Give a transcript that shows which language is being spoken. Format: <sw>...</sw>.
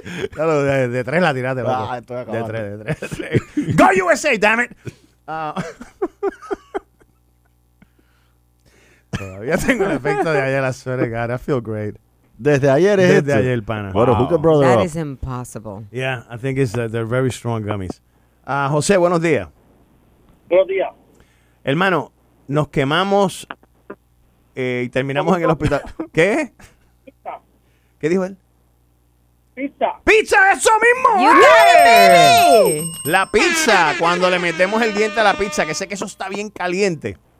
<es>Claro, de tres la tiraste. De tres.</es> <en>Go USA, damn it.</en> <es>Todavía tengo el efecto de ayer,</es> <en>I swear to God, I feel great.</en> <es>Desde ayer es desde ayer, pana.</es> <en>Bueno, wow. Hook a brother that up. Is impossible. Yeah, I think it's they're very strong gummies.</en> <es>José, buenos días. Buenos días. Hermano, nos quemamos y terminamos en el hospital. ¿Qué? Pizza. ¿Qué dijo él? Pizza. ¡Pizza, eso mismo!</es> <en>You got it, baby.</en> <es>La pizza, cuando le metemos el diente a la pizza, que sé que eso está bien caliente.</es>